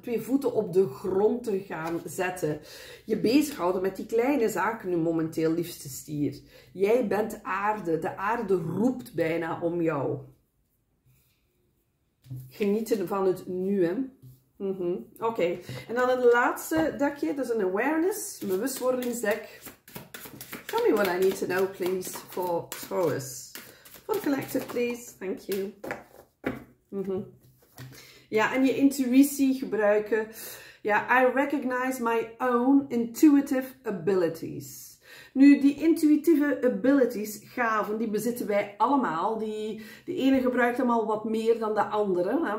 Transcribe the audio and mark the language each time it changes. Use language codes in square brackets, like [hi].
[nl] Twee voeten op de grond te gaan zetten. Je bezighouden met die kleine zaken nu momenteel, liefste stier. Jij bent aarde. De aarde roept bijna om jou. Genieten van het nu, hè? Mm-hmm. Oké. Okay. En dan het laatste dekje. Dat is een awareness. Een bewustwordingsdek. [en] Show me what I need to know, please, for Taurus. Voor collective, please. Thank you. Mm-hmm. [nl] Ja, en je intuïtie gebruiken. Ja, [en] I recognize my own intuitive abilities. [nl] Nu, die intuïtieve abilities, gaven, die bezitten wij allemaal. De ene gebruikt hem al wat meer dan de andere.